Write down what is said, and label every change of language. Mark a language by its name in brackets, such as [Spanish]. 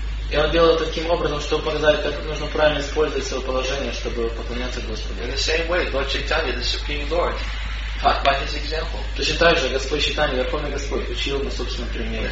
[Russian] И он делал это таким образом, чтобы показать, как нужно правильно использовать свое положение, чтобы поклоняться Господу. [English] In the same way, Lord Chaitanya, the Supreme Lord, taught by his example. [Russian] Точно так же Господь Чайтанья, Верховный Господь, учил на собственном примере.